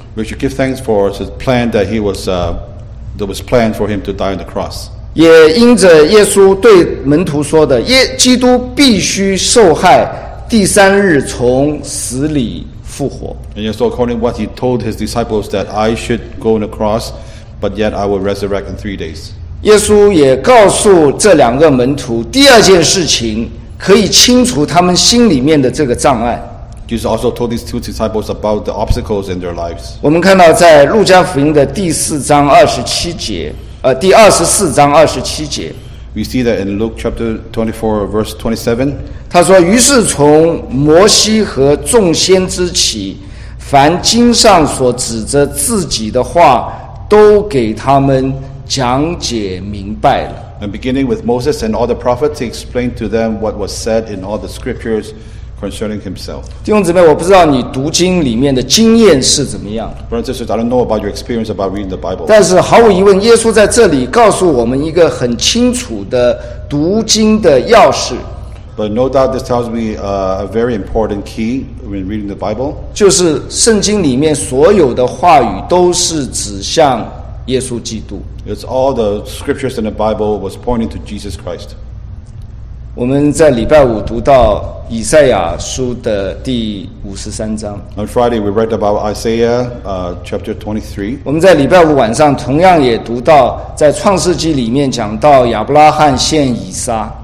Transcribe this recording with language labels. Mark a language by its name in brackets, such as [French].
[English] We should give thanks for his plan that he was that was planned for him to die on the cross. [Chinese] 也因着耶稣对门徒说的，基督必须受害，第三日从死里。 [English] And so according to what he told his disciples that I should go on the cross, but yet I will resurrect in 3 days. [Chinese] 耶稣也告诉这两个门徒，第二件事情可以清除他们心里面的这个障碍。 [English] Jesus also told these two disciples about the obstacles in their lives. [Chinese] 我们看到在路加福音的第四章二十七节，第二十四章二十七节。 [English] We see that in Luke chapter 24, verse 27. [Chinese] 他说：“于是从摩西和众先知起，凡经上所指着自己的话，都给他们讲解明白了。” [English] And beginning with Moses and all the prophets, he explained to them what was said in all the scriptures concerning himself. [Chinese] 弟兄姊妹，我不知道你读经里面的经验是怎么样。 [English] Brothers and sisters, I don't know about your experience about reading the Bible. [Chinese] 但是毫无疑问，耶稣在这里告诉我们一个很清楚的读经的钥匙。 [English] But no doubt this tells me a very important key when reading the Bible. [Chinese] 就是圣经里面所有的话语都是指向耶稣基督。 [English] It's all the scriptures in the Bible was pointing to Jesus Christ. [Chinese] 我们在礼拜五读到以赛亚书的第五十三章。 [English] On Friday, we read about Isaiah, chapter 23. [Chinese] 我们在礼拜五晚上同样也读到，在创世纪里面讲到亚伯拉罕献以撒。